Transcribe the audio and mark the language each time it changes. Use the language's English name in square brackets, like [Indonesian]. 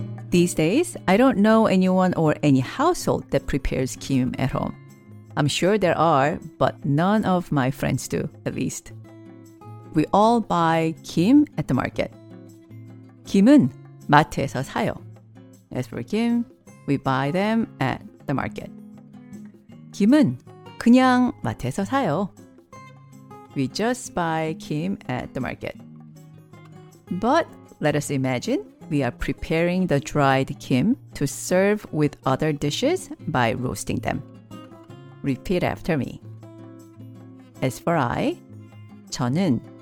[English] These days, I don't know anyone or any household that prepares kim at home. I'm sure there are, but none of my friends do, at least. We all buy kim at the market. [Korean] 김은 마트에서 사요. [English] As for kim, we buy them at the market. [Korean] 김은 그냥 마트에서 사요. [English] We just buy kim at the market. But let us imagine we are preparing the dried kim to serve with other dishes by roasting them. Repeat after me. As for I, [Korean] 저는